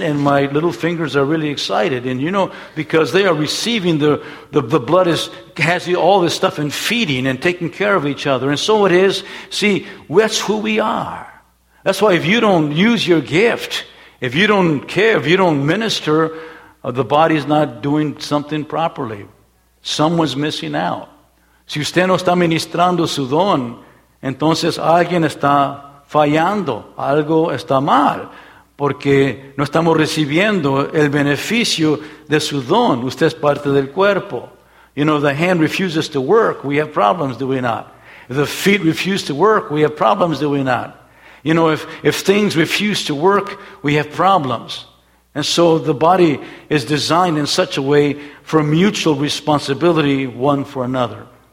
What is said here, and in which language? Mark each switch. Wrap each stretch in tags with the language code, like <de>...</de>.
<en>And my little fingers are really excited. And you know, because they are receiving, the blood has all this stuff and feeding and taking care of each other. And so it is. See, that's who we are. That's why if you don't use your gift, if you don't care, if you don't minister, the body is not doing something properly. Someone's missing out.</en> <es>Si usted no está ministrando su don, entonces alguien está fallando, algo está mal, porque no estamos recibiendo el beneficio de su don. Usted es parte del cuerpo.</es> <en>You know, if the hand refuses to work, we have problems, do we not? If the feet refuse to work, we have problems, do we not? You know, if things refuse to work, we have problems. And so the body is designed in such a way for mutual responsibility one for another.</en>